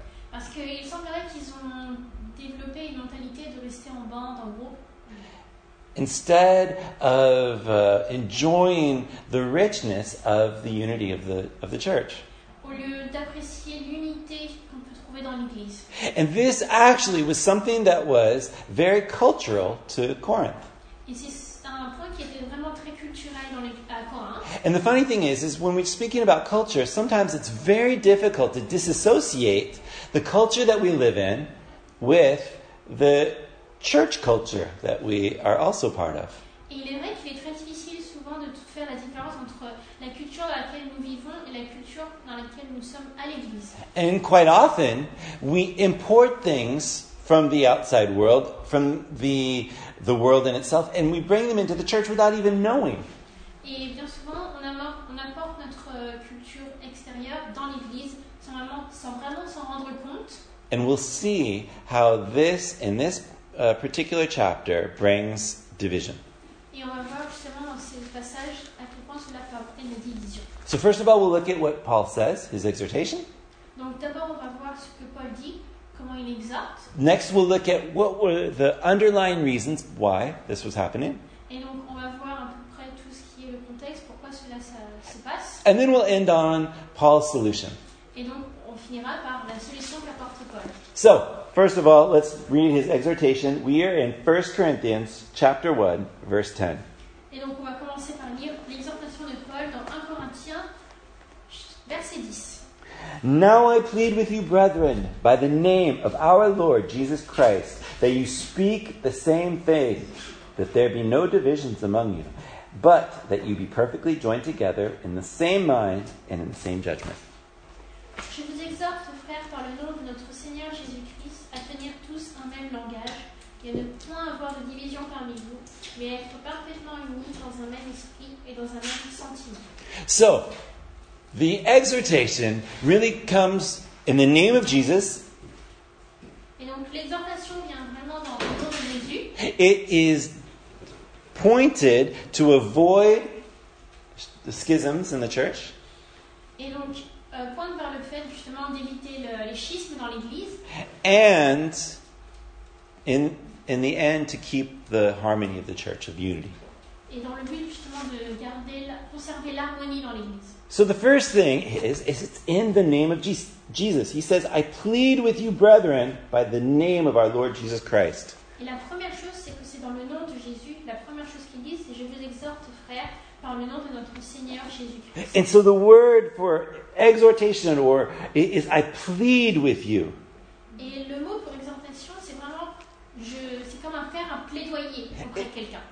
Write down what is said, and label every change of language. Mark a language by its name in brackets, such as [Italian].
[French] Parce qu'il semblerait qu'ils ont développé une mentalité de rester en bande, en groupe. [English] Instead of enjoying the richness of the unity of the church. [French] Au lieu d'apprécier l'unité qu'on peut trouver dans l'église. [English] And this actually was something that was very cultural to Corinth. [French] Et c'est un point qui était vraiment très culturel dans à Corinth. [English] And the funny thing is when we're speaking about culture, sometimes it's very difficult to disassociate the culture that we live in with the church culture that we are also part of. [French] Et il est vrai qu'il est très difficile souvent de tout faire la différence entre la culture dans laquelle nous vivons et la culture dans laquelle nous sommes à l'église. [English] And quite often, we import things from the outside world, from the world in itself, and we bring them into the church without even knowing. [French] Et bien souvent, on apporte notre culture extérieure dans l'église sans vraiment s'en rendre compte. [English] And we'll see how this, in this particular chapter, brings division. [French] Et on va voir justement dans ce passage à quel point cela peut apporter une division. [English] So first of all, we'll look at what Paul says, his exhortation. [French] Donc d'abord, on va voir ce que Paul dit, comment il exhorte. [English] Next, we'll look at what were the underlying reasons why this was happening. [French] Et donc, on va voir à peu près tout ce qui est le contexte, pourquoi cela se passe. [English] And then we'll end on Paul's solution. [French] Et donc, on finira par la solution qu'apporte Paul. [English] So, first of all, let's read his exhortation. We are in 1 Corinthians chapter 1, verse 10. [French] Et donc, on va commencer par lire l'exhortation de Paul dans 1 Corinthiens, verset 10. [English] Now I plead with you, brethren, by the name of our Lord Jesus Christ, that you speak the same thing, that there be no divisions among you, but that you be perfectly joined together in the same mind and in the same judgment. [French] Je vous exhorte, frères, par le nom de notre Seigneur Jésus-Christ, à tenir tous un même langage et à ne point avoir de division parmi vous, mais à être parfaitement unis dans un même esprit et dans un même sentiment. [English] So, the exhortation really comes in the name of Jesus. [French] Et donc, l'exhortation vient vraiment dans le nom de Jésus. [English] It is pointed to avoid the schisms in the church. [French] Et donc, pointe vers le fait justement d'éviter les schismes dans l'église. [English] And in the end, to keep the harmony of the church, of unity. [French] Et dans le but justement de conserver l'harmonie dans l'église. [English] So the first thing is it's in the name of Jesus. He says, I plead with you, brethren, by the name of our Lord Jesus Christ. [French] Et la première chose, c'est que c'est dans le nom de Jésus. La première chose qu'il dit, c'est je vous exhorte, frère, par le nom de notre Seigneur Jésus-Christ. [English] And so the word for exhortation or is I plead with you. [French] Et le mot pour exhortation, c'est vraiment c'est comme faire un plaidoyer auprès de quelqu'un.